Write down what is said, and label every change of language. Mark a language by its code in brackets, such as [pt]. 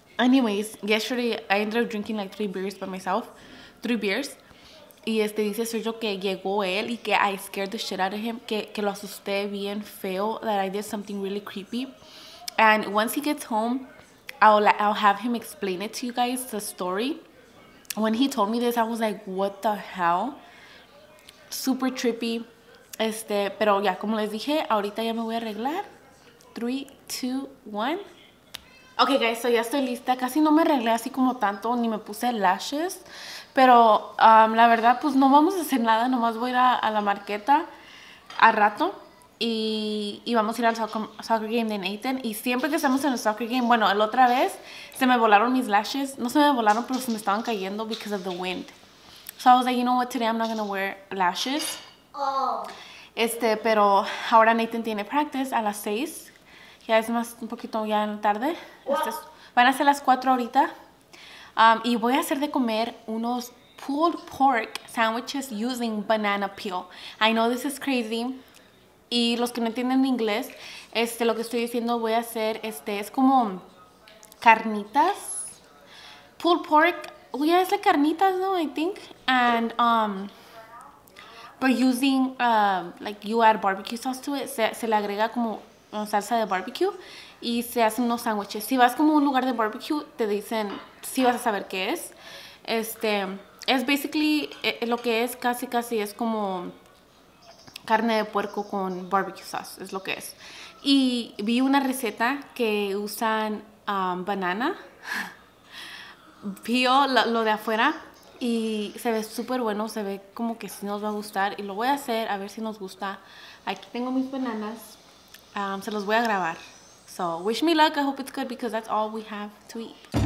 [en] Anyways, yesterday I ended up drinking like 3 beers by myself, 3 beers, [es] y dice Sergio que llegó él y que [en] I scared the shit out of him, [es] que lo asusté bien feo, [en] that I did something really creepy, and once he gets home, I'll have him explain it to you guys, the story. When he told me this, I was like, what the hell? Super trippy, [es] pero ya como les dije, ahorita ya me voy a arreglar. 3, 2, 1. Okay guys, so ya estoy lista. Casi no me arreglé así como tanto, ni me puse lashes, pero la verdad, pues no vamos a hacer nada, nomás voy a ir a la marqueta a rato y vamos a ir al soccer game de Nathan. Y siempre que estamos en el soccer game, bueno, la otra vez se me volaron mis lashes, no se me volaron, pero se me estaban cayendo [en] because of the wind. So I was like, you know what, today I'm not going to wear lashes. [es] Oh. Pero ahora Nathan tiene practice a las 6. Ya es más, un poquito ya en la tarde. Wow. Van a ser las 4 ahorita. Y voy a hacer de comer unos [en] pulled pork sandwiches using banana peel. I know this is crazy. [es] Y los que no entienden inglés, lo que estoy diciendo voy a hacer, es como carnitas. [en] Pulled pork. Oh yeah, it's like carnitas, no, I think. And, but using, like, you add barbecue sauce to it. [es] Se le agrega como salsa de barbecue. Y se hacen unos sándwiches. Si vas como a un lugar de barbecue, te dicen, si vas a saber qué es. Es basically, lo que es casi es como carne de puerco con barbecue sauce. Es lo que es. Y vi una receta que usan banana. Pío lo de afuera y se ve súper bueno, se ve como que sí nos va a gustar y lo voy a hacer a ver si nos gusta. Aquí tengo mis bananas, se los voy a grabar. [en] So wish me luck, I hope it's good because that's all we have to eat.